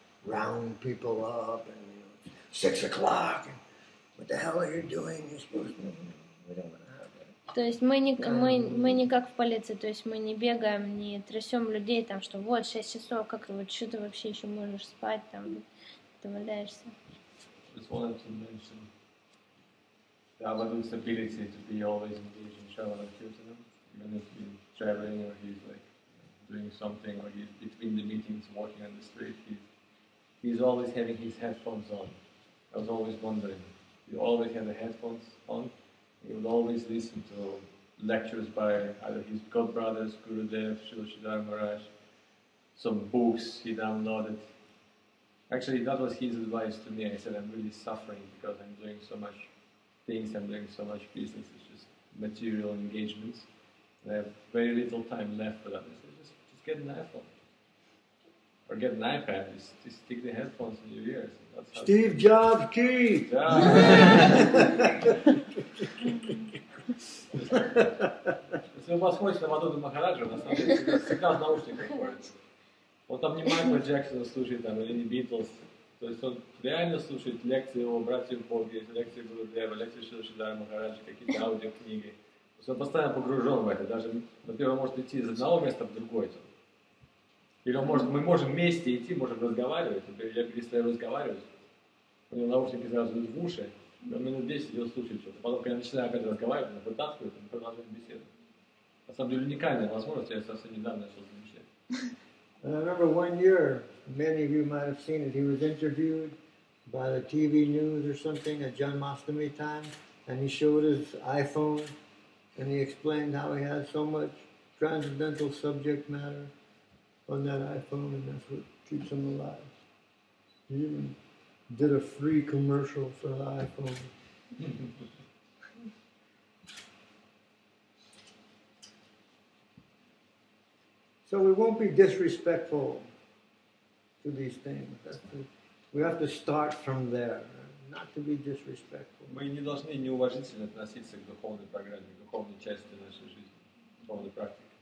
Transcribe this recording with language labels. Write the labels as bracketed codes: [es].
[en] Round people up and, you know, 6 o'clock and what the hell are you doing? You're supposed to, we don't want to have that. [ru] То есть мы не как в полиции, то есть мы не бегаем, не трясем людей там, что вот 6 часов, как вот что ты вообще еще можешь спать там, ты валяешься. [en] Just wanted to mention the Abadu's ability to be always engaged in Shravana Kirtanam, even if he's traveling or he's like doing something or he's between the meetings walking on the street, he's always having his headphones on. I was always wondering. He always had the headphones on. He would always listen to lectures by either his godbrothers, Gurudev, Srila Sridhar Maharaj, some books he downloaded. Actually, that was his advice to me. I said, I'm really suffering because I'm doing so much things, I'm doing so much business. It's just material engagements. And I have very little time left for that. I said, just get an iPhone. Or get an iPad, just stick the headphones in your ears. That's Steve Jobs Key! [ru] Если вы посмотрите на Мадуду Махараджа, на самом деле всегда в наушниках ходит. Он там не Майкл Джексона слушает, там, или не Битлз. То есть он реально слушает лекции его братьев Боги, лекции Гурудева, лекции Шридхара Махараджа, какие-то аудиокниги. То есть он постоянно погружен в это. Даже, например, он может идти из одного места в другой. Или он может, мы можем вместе идти, можем разговаривать. Я перестаю разговаривать, у него наушники сразу идут в уши, и он минут 10 идет слушать что-то. Потом, когда я начинаю опять разговаривать, он вытаскивает, он продолжает беседу. На самом деле уникальная возможность, я совсем недавно начал замечать. [en] And I remember one year, many of you might have seen it, he was interviewed by the TV news or something at Janmashtami time, and he showed his iPhone, and he explained how he has so much transcendental subject matter on that iPhone, and that's what keeps him alive. He even did a free commercial for the iPhone. So we won't be disrespectful to these things. We have to start from there, not to be disrespectful. [ru] Мы не должны неуважительно относиться к духовной программе, к духовной части нашей жизни, духовной практики.